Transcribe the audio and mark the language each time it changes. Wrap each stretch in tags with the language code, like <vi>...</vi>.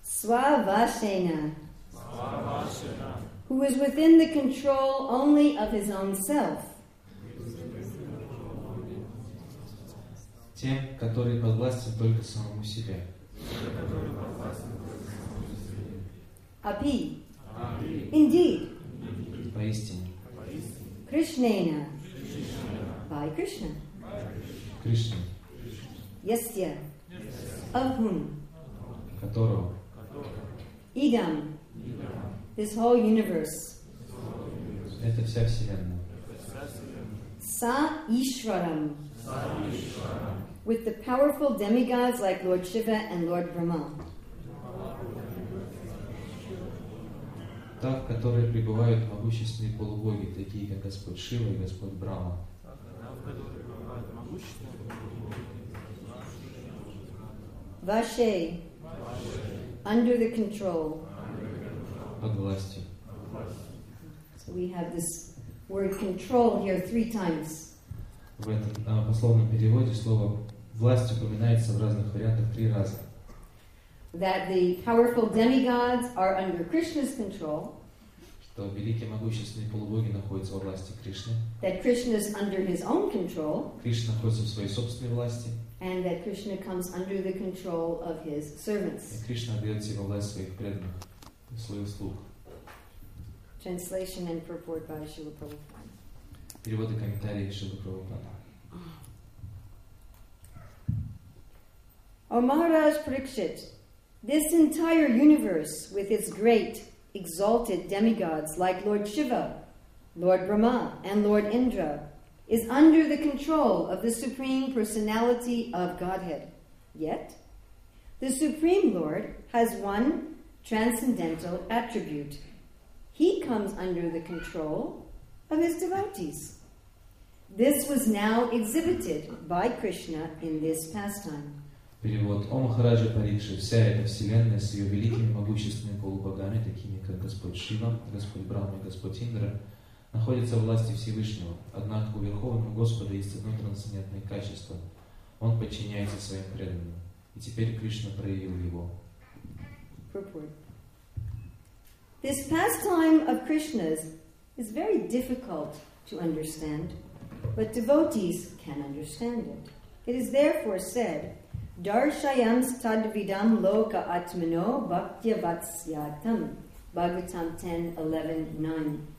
<en>Svavasena, who is within the control only of his own self.</en> <ru>Тем, который подвластен только самому себе.</ru> <sa>Api.</sa> <en>Indeed.</en> <ru>Поистине.</ru> <sa>Krishnena.</sa> <en>By Krishna.</en> <ru>Krishna.</ru> <sa>Yasya.</sa> <en>Of whom?</en> <ru>Которого.</ru> <sa>Idam,</sa> <en>this whole universe.</en> <ru>Это вся вселенная.</ru> <sa>Са Ишварам. Са Ишварам.</sa> <en>With the powerful demigods like Lord Shiva and Lord Brahma.</en> <ru>Та, в которой пребывают могущественные полубоги, такие как Господь Шива и Господь Брама.</ru> <sa>Ваше.</sa> <en>Under the control.</en> <ru>Под властью.</ru> <en>So we have this word control here three times.</en> <ru>В этом пословном переводе слово власть упоминается в разных вариантах три раза.</ru> <en>That the powerful demigods are under Krishna's control.</en> <ru>Что то великие могущественные полубоги находятся во власти Кришны.</ru> <en>That Krishna is under his own control.</en> <ru>Кришна находится в своей собственной власти.</ru> <en>And that Krishna comes under the control of his servants.</en> <ru>И Кришна отдаётся во власть своих преданных, своих слуг.</ru> <en>Translation and purport by Srila Prabhupada.</en> <ru>Переводы комментарии Шрилы Прабхупады.</ru> <en>O Maharaj Parikshit, this entire universe with its great exalted demigods like Lord Shiva, Lord Brahma, and Lord Indra is under the control of the Supreme Personality of Godhead. Yet, the Supreme Lord has one transcendental attribute. He comes under the control of his devotees. This was now exhibited by Krishna in this pastime.</en> <ru>Перевод. О Махараджа Парикши, вся эта вселенная с ее великими могущественными полубогами, такими как Господь Шива, Господь Брахма и Господь Индра, находится в власти Всевышнего. Однако у Верховного Господа есть одно трансцендентное качество. Он подчиняется своим преданным. И теперь Кришна проявил его.</ru> <en>This pastime of Krishna's is very difficult to understand, but devotees can understand it. It is therefore said,</en> <sa>Darshayam tadvidam loka atmano bhaktya vatsyatam,</sa> <en>Bhagavatam 10.11.9.</en>